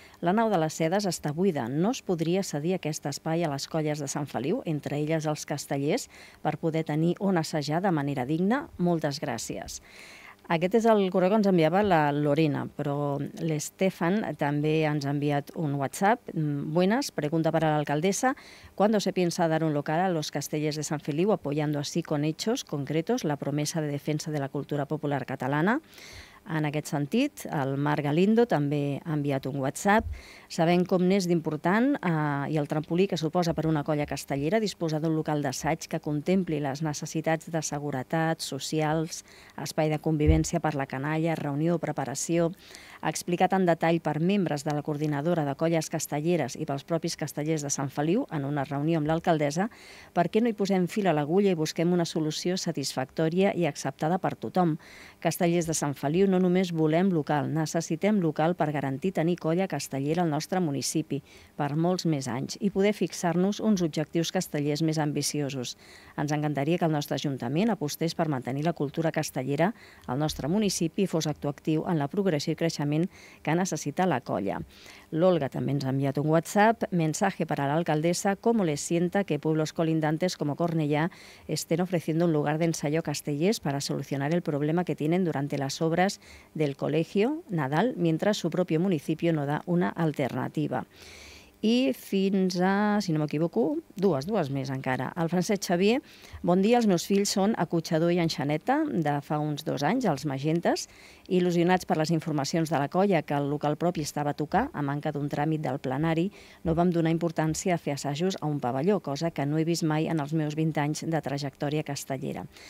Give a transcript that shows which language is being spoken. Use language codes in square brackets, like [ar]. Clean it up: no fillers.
[ca] La nau de les Sedes està buida. No es podria cedir aquest espai a les colles de Sant Feliu, entre elles els castellers, per poder tenir on assajar de manera digna? Moltes gràcies. Aquest és el correu que ens enviava la Lorena, però l'Estefan també ens ha enviat un WhatsApp. [es] Buenas, pregunta para la alcaldesa. ¿Cuándo se piensa dar un local a los castellers de San Feliu, apoyando así con hechos concretos la promesa de defensa de la cultura popular catalana? [ca] En aquest sentit, el Marc Galindo també ha enviat un WhatsApp. Sabem com n'és d'important i el trampolí que suposa per una colla castellera disposar d'un local d'assaig que contempli les necessitats de seguretat, socials, espai de convivència per la canalla, reunió, preparació... Ha explicat en detall per membres de la coordinadora de colles castelleres i pels propis castellers de Sant Feliu, en una reunió amb l'alcaldessa, per què no hi posem fil a l'agulla i busquem una solució satisfactòria i acceptada per tothom. Castellers de Sant Feliu, no només volem local, necessitem local per garantir tenir colla castellera al nostre municipi per molts més anys i poder fixar-nos uns objectius castellers més ambiciosos. Ens encantaria que el nostre ajuntament apostés per mantenir la cultura castellera al nostre municipi i fos actuatiu en la progressió i creixement que necessita la colla. L'Olga també ens ha enviat un WhatsApp, [es] mensaje para la alcaldesa, cómo les sienta que pueblos colindantes como Cornellà estén ofreciendo un lugar de ensayo castellés para solucionar el problema que tienen durante las obras del Colegio Nadal, mientras su propio municipio no da una alternativa. [ca] I fins a, si no m'equivoco, dues més encara. El Francesc Xavier, bon dia, els meus fills són a Cotxador i en Xaneta, de fa uns 2 anys, els Magentes, il·lusionats per les informacions de la colla que el local propi estava a tocar, a manca d'un tràmit del plenari, no vam donar importància a fer assajos a un pavelló, cosa que no he vist mai en els meus 20 anys de trajectòria castellera.